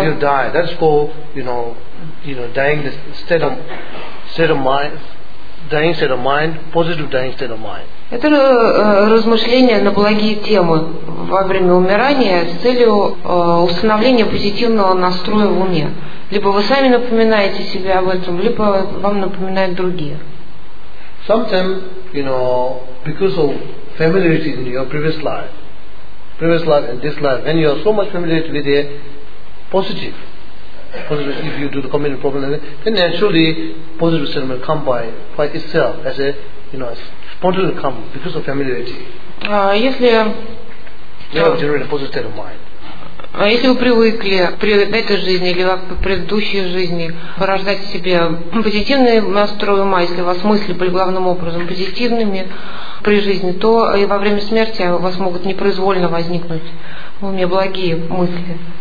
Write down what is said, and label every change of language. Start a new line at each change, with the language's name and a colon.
English: if you die, that's called, you know, dying the state of mind. Dying state of mind, positive dying state of mind.
Russian: Это размышления на благие темы во время умирания с целью установления позитивного настроя в уме. Либо вы сами напоминаете себе об этом, либо вам напоминают другие.
English: Sometimes, you know, because of familiarity in your previous life and this life, when you are so much familiar with a positive. If you do the communion problem, then naturally positive state will come by itself as a, you know, spontaneously come because of familiarity.
Russian: Если
English: you have generated a positive state of mind.
Russian: А если вы привыкли при этой жизни или в предыдущей жизни порождать себе позитивный настрой ума, если у вас мысли были главным образом позитивными при жизни, то и во время смерти у вас могут непроизвольно возникнуть у меня благие мысли.